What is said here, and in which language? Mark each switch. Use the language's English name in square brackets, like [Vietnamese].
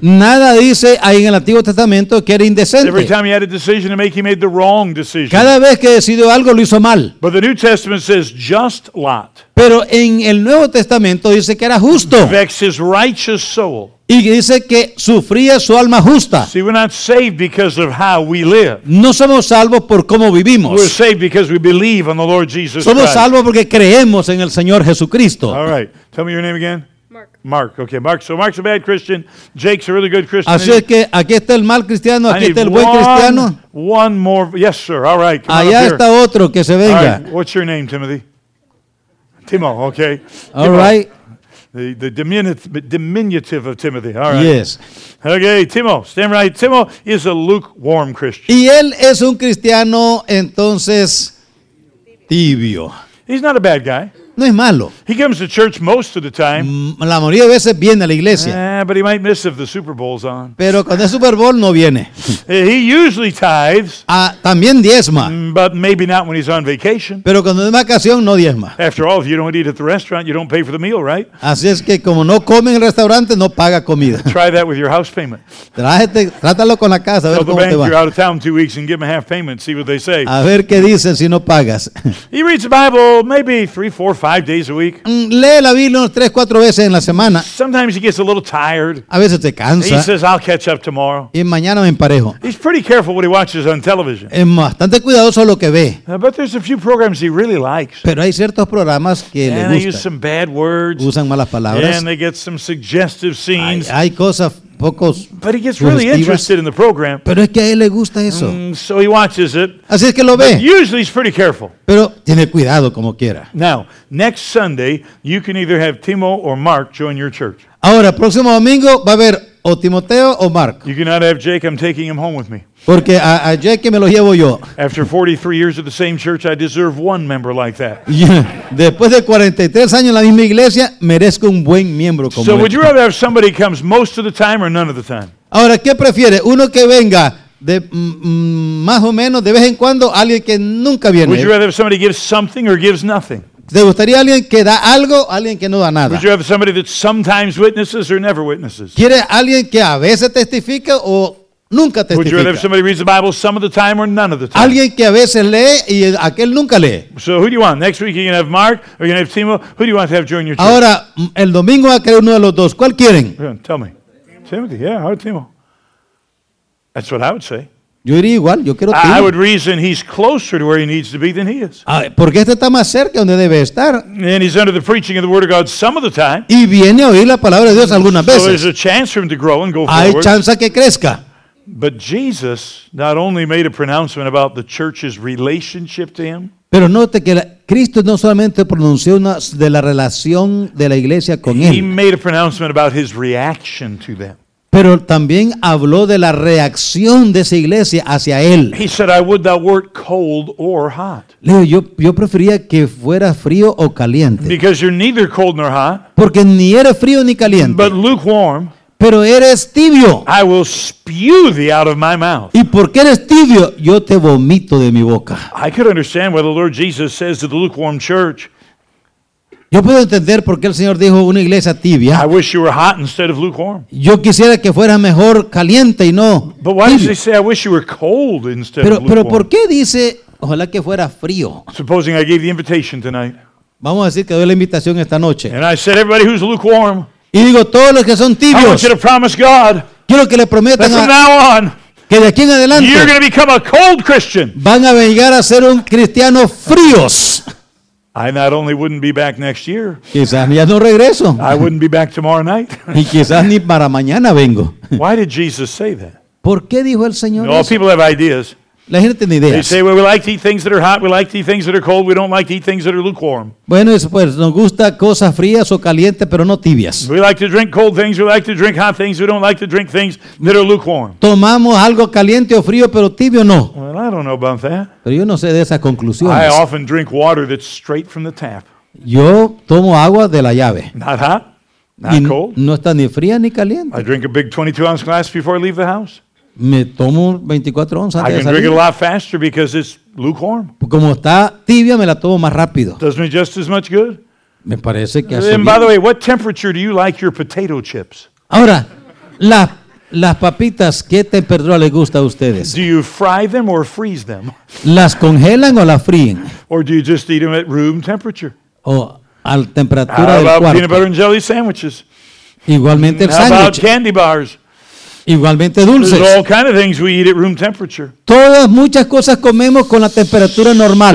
[Spanish] Nada dice ahí en el Antiguo Testamento que era indecente. [English] Every time he had a decision to make, he made the wrong decision. [Spanish] Cada vez que decidió algo, lo hizo mal. [English] But the New Testament says just Lot. [Spanish] Pero en el Nuevo Testamento dice que era justo. [English] Vexed his righteous soul. [Spanish] Y dice que sufría su alma justa. [English] See, we're not saved because of how we live. [Spanish] No somos salvos por cómo vivimos. [English] We're saved because we believe in the Lord Jesus [Spanish] somos [English] Christ. [Spanish] Somos salvos porque creemos en el Señor Jesucristo. [English] All right. Tell me your name again. Mark. Mark. Okay, Mark. So Mark's a bad Christian. Jake's a really good Christian. [Spanish] Así es que aquí está el mal cristiano, aquí está el buen cristiano. [English] One more. Yes, sir. All right. Come [Spanish] allá [English] on [Spanish] está otro que se venga. [English] All right. What's your name, Timothy? Timo, okay. All Timo. Right. The diminutive of Timothy. All right. Yes. Okay, Timo, stand right. Timo is a lukewarm Christian. [Spanish] Y él es un cristiano, entonces, tibio. [English] He's not a bad guy. [Spanish] No es malo. [English] He comes to church most of the time. [Spanish] La mayoría de veces viene a la iglesia. [English] But he might miss if the Super Bowl's on. [Spanish] Pero cuando es Super Bowl no viene. [English] He usually tithes. [Spanish] También diezma. [English] But maybe not when he's on vacation. [Spanish] Pero cuando es vacación no diezma. [English] After all, if you don't eat at the restaurant, you don't pay for the meal, right? [Spanish] Así es que como no come en el restaurante no paga comida. [English] Try that with your house payment. [Spanish] Trátalo con la casa a ver cómo te va. [English] Tell the bank you're out of town 2 weeks and give them a half payment. See what they say. [Spanish] A ver qué dicen si no pagas. [English] He reads the Bible maybe 3, 4, 5 days a week. [Spanish] Lee la Biblia 3-4 veces en la semana. [English] Sometimes he gets a little tired. [Spanish] A veces se cansa. [English] He says, "I'll catch up tomorrow." [Spanish] Y mañana me emparejo. [English] He's pretty careful what he watches on television. [Spanish] Es bastante cuidadoso lo que ve. [English] But there's a few programs he really likes. [Spanish] Pero hay ciertos programas que [English] and [Spanish] le gustan. [English] They use some bad words. [Spanish] Usan malas palabras. [English] And they get some suggestive scenes. [Spanish] Hay cosas. [English] But he gets really interested in the program. [Spanish] Pero es que a él le gusta eso. [English] So he watches it. [Spanish] Así es que lo ve. [English] But usually he's pretty careful. [Spanish] Pero tiene cuidado como quiera. [English] Now, next Sunday, you can either have Timo or Mark join your church. [Spanish] Ahora, próximo domingo va a haber o Timoteo o Mark. [English] You cannot have Jake. I'm taking him home with me. [Spanish] Porque a Jake me lo llevo yo. [English] After 43 years of the same church, I deserve one member like that. [Spanish] Después de 43 años en la misma iglesia, merezco un buen miembro como él. [English] So would you rather have somebody comes most of the time or none of the time? [Spanish] Ahora, ¿qué prefiere? Uno que venga de más o menos de vez en cuando, alguien que nunca viene. [English] Would you rather have somebody gives something or gives nothing? [Spanish] ¿Te gustaría alguien que da algo, alguien que no da nada? [English] Would you have somebody that sometimes witnesses or never witnesses? [Spanish] ¿Quiere alguien que a veces testifica o nunca testifica? [English] Would you rather somebody reads the Bible some of the time or none of the time? [Spanish] Alguien que a veces lee y aquel nunca lee. [English] So who do you want? Next week you're going to have Mark or you're going to have Timo. Who do you want to have join your church? [Spanish] Ahora, el domingo va a querer uno de los dos. ¿Cuál quieren? [English] Tell me. Timothy, yeah, or Timo. That's what I would say. [Spanish] Yo iría igual, yo quiero [English] Timo. I would reason he's closer to where he needs to be than he is. [Spanish] Porque este está más cerca donde debe estar. [English] And he's under the preaching of the Word of God some of the time. [Spanish] Y viene a oír la palabra de Dios algunas veces. [English] So there's a chance for him to grow and go [Spanish] hay [English] forward. [Spanish] Hay chance que crezca. [English] But Jesus not only made a pronouncement about the church's relationship to him. [Spanish] Pero note que Cristo no solamente pronunció una de la relación de la iglesia con él. [English] He made a pronouncement about his reaction to them. [Spanish] Pero también habló de la reacción de esa iglesia hacia él. [English] He said, "I would thou wert cold or hot." [Spanish] Leo, yo prefería que fuera frío o caliente. [English] Because you're neither cold nor hot. [Spanish] Porque ni era frío ni caliente. [English] But lukewarm. [Spanish] Pero eres tibio. [English] I will spew thee out of my mouth. [Spanish] Y porque eres tibio, yo te vomito de mi boca. [English] I could understand why the Lord Jesus says to the lukewarm church. [Spanish] Yo puedo entender por qué el Señor dijo una iglesia tibia. [English] I wish you were hot instead of lukewarm. [Spanish] Yo quisiera que fuera mejor caliente y no. [English] But why does he say I wish you were cold instead of lukewarm? [Spanish] Pero por qué dice ojalá que fuera frío. [English] Supposing I gave the invitation tonight. [Spanish] Vamos a decir que doy la invitación esta noche. [English] And I said everybody who's lukewarm. [Spanish] Y digo todos los que son tibios. [English] I want you to promise God. [Spanish] Quiero que le prometan [English] from now on. [Spanish] Que de aquí en adelante. [English] You're going to become a cold Christian. [Spanish] Van a llegar a ser un cristiano fríos. [English] I not only wouldn't be back next year. [Spanish] Quizás ya no regreso. [English] I wouldn't be back tomorrow night. [Spanish] Y quizás ni para mañana vengo. [English] Why did Jesus say that? [Spanish] ¿Por qué dijo el Señor eso? [English] People have ideas. [Spanish] La gente tiene ideas. [English] They say, well, we like to eat things that are hot, we like to eat things that are cold, we don't like to eat things that are lukewarm. [Spanish] Bueno, pues nos gusta cosas frías o calientes, pero no tibias. [English] We like to drink cold things, we like to drink hot things, we don't like to drink things that are lukewarm. [Spanish] Tomamos algo caliente o frío, pero tibio no. [English] Well, I don't know about that. [Spanish] Pero yo no sé de esas conclusiones. [English] I often drink water that's straight from the tap. [Spanish] Yo tomo agua de la llave. [English] Not hot, not cold. [Spanish] No está ni fría ni caliente. [English] I drink a big 22-ounce glass before I leave the house. [Spanish] Me tomo 24 onzas antes de salir. [English] I can drink it a lot faster because it's lukewarm. [Spanish] Como está tibia, me la tomo más rápido. [English] Does me just as much good? [Spanish] Me parece que hace bien. [English] By the way, what temperature do you like your potato chips? [Spanish] Ahora, las papitas, ¿qué temperatura les gusta a ustedes? [English] Do you fry them or freeze them? [Spanish] ¿Las congelan o las fríen? [English] Or do you just eat them at room temperature? [Spanish] O a temperatura del cuarto. [English] How about peanut butter and jelly sandwiches? [Spanish] Igualmente el sándwich. [English] How about candy bars? [Spanish] Igualmente dulces. [English] All kind of things we eat at room temperature. [Spanish] Todas muchas cosas comemos con la temperatura normal.